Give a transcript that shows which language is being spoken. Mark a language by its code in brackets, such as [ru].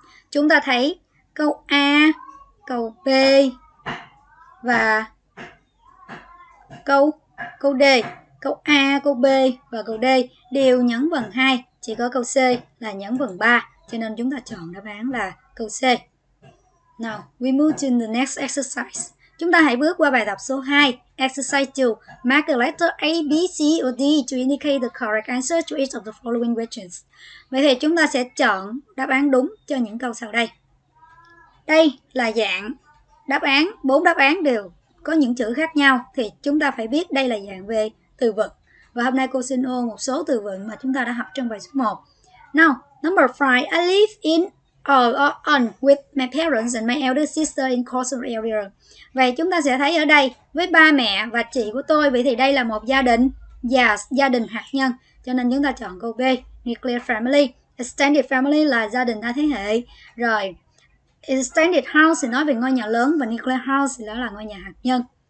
[vi] Chúng ta thấy câu A, câu B và câu D, câu A, câu B và câu D đều nhấn vần 2, chỉ có câu C là nhấn vần 3, cho nên chúng ta chọn đáp án là câu C. [en] Now, we move to the next exercise. [vi] Chúng ta hãy bước qua bài tập số 2, exercise 2. [en] Mark the letter A, B, C or D to indicate the correct answer to each of the following questions. [vi] Vậy thì chúng ta sẽ chọn đáp án đúng cho những câu sau đây. Đây là dạng đáp án, 4 đáp án đều có những chữ khác nhau. Thì chúng ta phải biết đây là dạng về từ vựng. Và hôm nay cô xin ôn một số từ vựng mà chúng ta đã học trong bài số 1. [en] Now, number 5, I live in on with my parents and my elder sister in coastal area. [vi] Vậy chúng ta sẽ thấy ở đây với ba mẹ và chị của tôi, vậy thì đây là một gia đình, gia đình hạt nhân, cho nên chúng ta chọn câu B, nuclear family. Extended family là gia đình đa thế hệ. Rồi, extended house thì nói về ngôi nhà lớn và nuclear house thì đó là ngôi nhà hạt nhân.